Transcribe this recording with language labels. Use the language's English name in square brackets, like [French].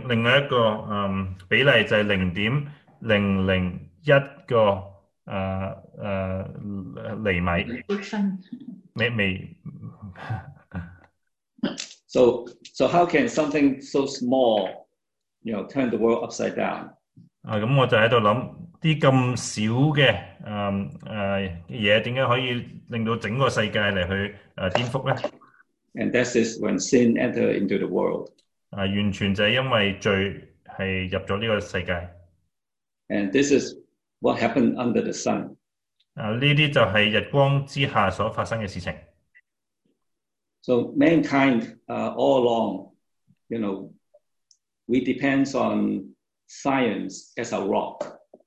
[Chinese] 另外一个比例就是 0.001 厘米。 So [English] how can something so small, turn the world upside down? [Chinese] 我就在想这么小的东西怎么可以令到整个世界来颠覆呢? [English] And this is when sin entered into the world. [Chinese] 完全就是因为罪入了这个世界。 [English] And this is what happened under the sun. [Chinese] 这些就是日光之下所发生的事情。 [English] So mankind, all along, we depend on science as a rock.